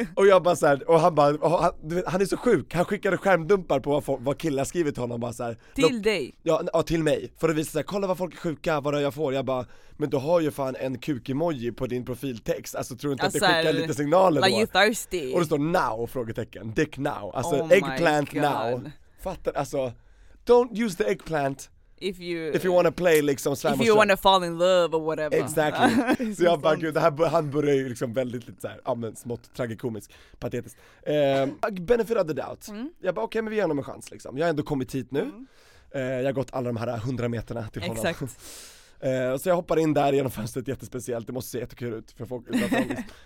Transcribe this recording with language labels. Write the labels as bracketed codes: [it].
[sv] Och jag bara såhär, och han bara, och han, du vet, han är så sjuk. Han skickade skärmdumpar på vad killar skrivit till honom. Bara så här, till dig? Ja, till mig. För att visa såhär, kolla vad folk är sjuka, vad jag får. Jag bara, men du har ju fan en kuk-emoji på din profiltext. Alltså tror du inte alltså, att det skickar lite signaler [en] like [sv] då? [en] You thirsty? [sv] Och det står now, frågetecken. [en] Dick now. Alltså, oh eggplant now. Fattar, alltså, don't use the eggplant. If you want to play liksom slam if you want to fall in love or whatever. Exactly. [sv] Så jag bara, gud, det här, han börjar ju liksom väldigt lite så här, ja men smått tragikomisk, patetiskt. [en] Benefit of the doubt. [sv] Mm. Jag bara, okej, men vi ger honom en chans liksom. Jag har ändå kommit hit nu. Jag har gått alla de här 100 meterna till honom. Exakt. Så jag hoppar in där genom fönstret, jättespeciellt. Det måste se jättekul ut för folk utanför.